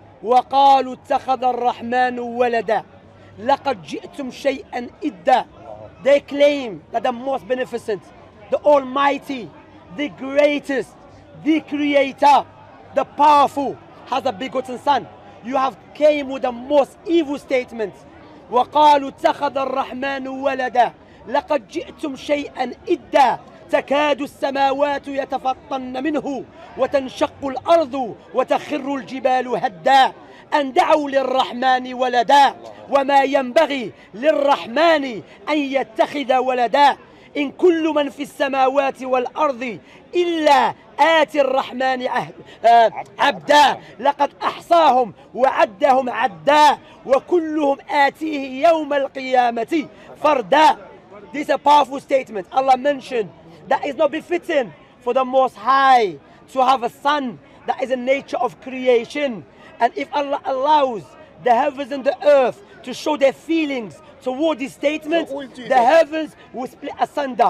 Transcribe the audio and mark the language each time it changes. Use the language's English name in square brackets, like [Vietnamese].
[Arabic] وَقَالُوا اتَّخَذَ الرَّحْمَنُ وَلَدًا لَقَدْ جِئْتُمْ شَيْئًا إِدَّا. [English] They claim that the most beneficent, the almighty, the greatest, the creator, the powerful, has a begotten son. You have came with the most evil statement. [Arabic] وَقَالُوا اتَّخَذَ الرَّحْمَنُ وَلَدًا لَقَدْ جِئْتُمْ شَيْئًا إِدَّا تكاد السماوات يتفطن منه وتنشق الأرض وتخر الجبال هدا أن دعوا للرحمن ولدا وما ينبغي للرحمن أن يتخذ ولدا إن كل من في السماوات والأرض إلا آتي الرحمن عبدا لقد أحصاهم وعدهم عدا وكلهم آتيه يوم القيامة فردا. [English] This is a powerful statement. Allah mentioned that is not befitting for the Most High to have a son. That is a nature of creation. And if Allah allows the heavens and the earth to show their feelings toward this statement, so the heavens will split asunder.